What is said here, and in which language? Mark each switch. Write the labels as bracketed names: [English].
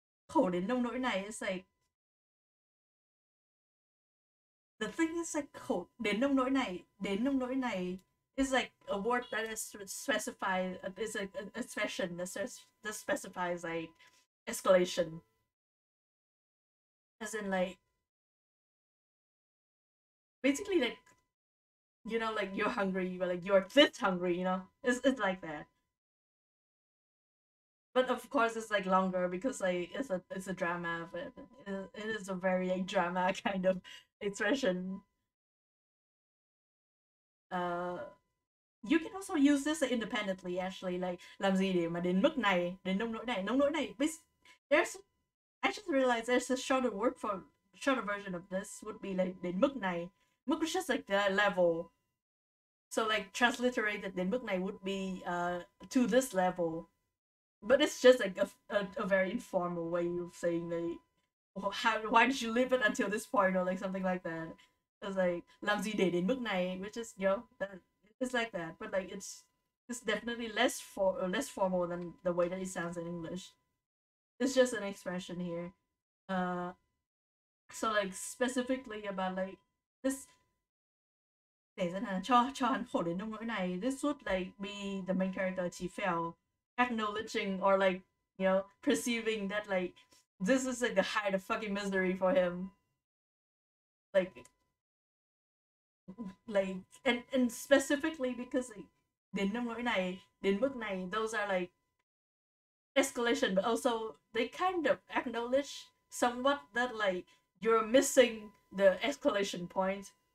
[English] Holding no nỗi này, it's like the thing is like [Vietnamese] đến nông nỗi này [English] is like a word that is specified, is like an expression that specifies like escalation, as in like basically like, you know, like you're hungry, but like you're this hungry, you know, it's like that. But of course it's like longer because like it's a drama, but it is a very like drama kind of expression. You can also use this independently actually, like [Vietnamese] làm gì để mà đến mức này, đến nông nỗi này. [English] I just realized there's a shorter word for shorter version of this would be like [Vietnamese] đến mức này. [English] Mức is just like the level. So like transliterated [Vietnamese] đến mức này [English] would be to this level. But it's just like a very informal way of saying like, why did you leave it until this point or like something like that. It's like [Vietnamese] làm gì để đến mức này, [English] which is, you know, that it's like that. But like it's definitely less formal than the way that it sounds in English. It's just an expression here. So like specifically about like this. [Vietnamese] Để dẫn hắn cho hắn khổ đến nông nỗi này. [English] This would like be the main character Chí Phèo acknowledging or like, you know, perceiving that like this is like the height of fucking misery for him. Like and specifically because like [Vietnamese] đến nông nỗi này, đến mức này, [English] those are like escalation, but also they kind of acknowledge somewhat that like you're missing the escalation point.